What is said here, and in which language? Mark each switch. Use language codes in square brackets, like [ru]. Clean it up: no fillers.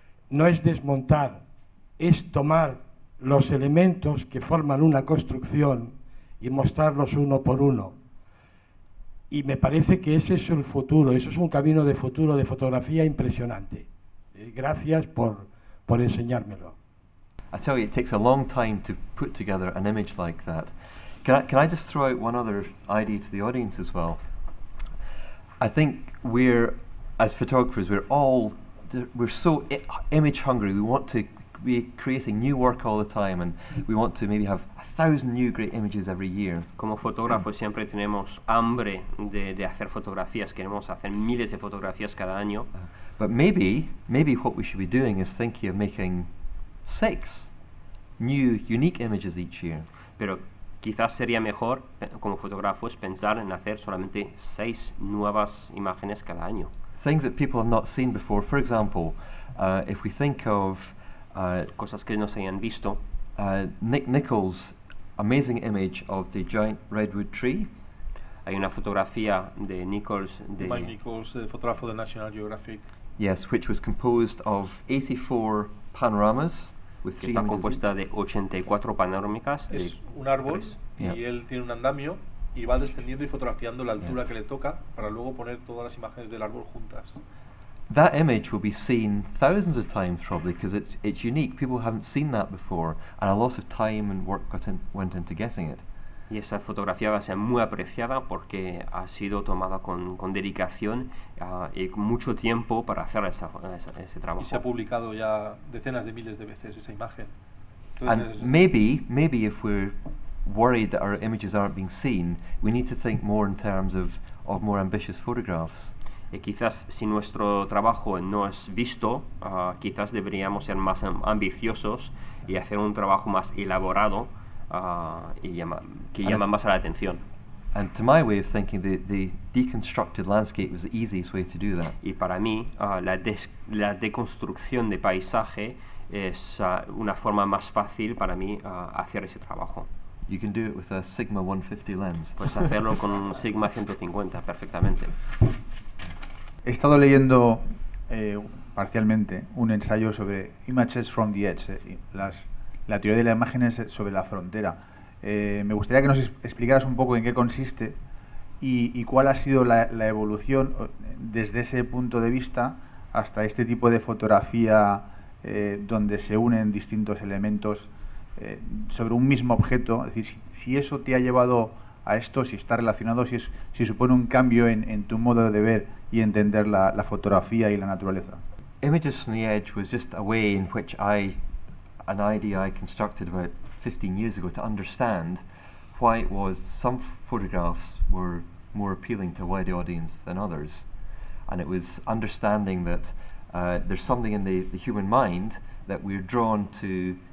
[es] No es desmontar, es tomar los elementos que forman una construcción y mostrarlos uno por uno. Y me parece que ese es el futuro, eso es un camino de futuro de fotografía impresionante. Gracias por enseñármelo. [en] I tell you, it takes a long time to put together an image like that. Can I just throw out one other idea to the audience as well? I think we're, as photographers, we're so image hungry. We want to be creating new work all the time and we want to maybe have thousand new great images every year. [es] Como fotógrafos siempre tenemos hambre de hacer fotografías, queremos hacer miles de fotografías cada año. [en] But maybe what we should be doing is thinking of making 6 new unique images each year. [es] Pero quizás sería mejor como fotógrafos pensar en hacer solamente 6 nuevas imágenes cada año. [en] Things that people have not seen before. For example, if we think of [es] cosas que no se hayan visto. [en] Nick Nichols' amazing image of the giant redwood tree. [es] Hay una fotografía de Nichols de Mike Nichols, el fotógrafo de National Geographic. [en] Yes, which was composed of 84 panoramas with [es] está compuesta de 84 panorámicas. Es un árbol tres. Y yeah. Él tiene un andamio y va descendiendo y fotografiando la altura yeah. que le toca para luego poner todas las imágenes del árbol juntas. [en] That image will be seen thousands of times probably because it's unique. People haven't seen that before and a lot of time and work went into getting it. [es] Y esa fotografía va a ser muy apreciada porque ha sido tomada con dedicación y mucho tiempo para hacer ese trabajo. Y se ha publicado ya decenas de miles de veces esa imagen. Entonces [en] and maybe if we're worried that our images aren't being seen, we need to think more in terms of more ambitious photographs. [es] Y quizás si nuestro trabajo no es visto, quizás deberíamos ser más ambiciosos y hacer un trabajo más elaborado que llama más a la atención. [en] And to my way of thinking, the deconstructed landscape was the easiest way to do that. [es] Y para mí, la deconstrucción de paisaje es una forma más fácil para mí hacer ese trabajo. [en] You can do it with a Sigma 150 lens. [es] Puedes hacerlo con un Sigma 150 perfectamente. He estado leyendo parcialmente un ensayo sobre Images from the Edge, la teoría de las imágenes sobre la frontera. Me gustaría que nos explicaras un poco en qué consiste y cuál ha sido la evolución desde ese punto de vista hasta este tipo de fotografía donde se unen distintos elementos sobre un mismo objeto. Es decir, si eso te ha llevado a esto, si está relacionado, si supone un cambio en tu modo de ver y entender la fotografía y la naturaleza. [en] Images from the Edge was just a way in which an idea I constructed about 15 years ago to understand why it was some photographs were more appealing to a wider audience than others. And it was understanding that there's something in the human mind that we're drawn to